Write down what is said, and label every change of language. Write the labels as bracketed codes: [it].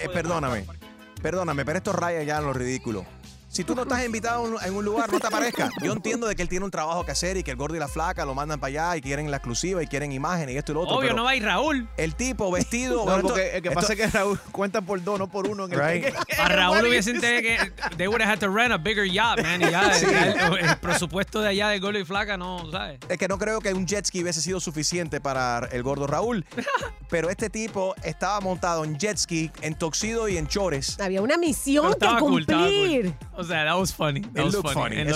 [es] Perdóname, pero esto raya ya en lo ridículo. Si tú no estás invitado en un lugar, no te aparezca. Yo entiendo de que él tiene un trabajo que hacer y que el gordo y la flaca lo mandan para allá y quieren la exclusiva y quieren imágenes y esto y lo otro. Obvio, no va a ir Raúl. El tipo vestido. No, porque el que pasa es que Raúl cuenta por dos, no por uno. En [en] right. [es] A Raúl hubiese entendido que [en] they would have had to rent a bigger yacht, man. [es] Y ya, el presupuesto de allá del gordo y flaca, no, ¿sabes? Es que no creo que un jet ski hubiese sido suficiente para el gordo Raúl. Pero este tipo estaba montado en jet ski, en tuxedo y en chores. Había una misión que cumplir. O sea, [en] that was funny. That it looked funny.